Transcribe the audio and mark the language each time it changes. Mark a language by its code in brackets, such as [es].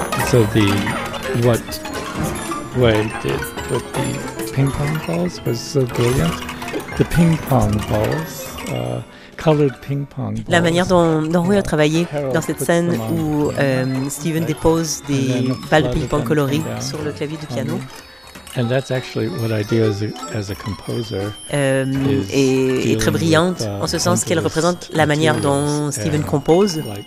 [en] So what the ping pong balls was so brilliant. The ping pong balls, colored ping pong balls. [fr] La manière dont Rui a travaillé dans cette scène où Steven dépose des balles de ping pong colorées sur le clavier du piano. [en] And that's actually what I do as a composer. [fr] Est très brillante en ce sens qu'elle représente la manière dont Steven compose.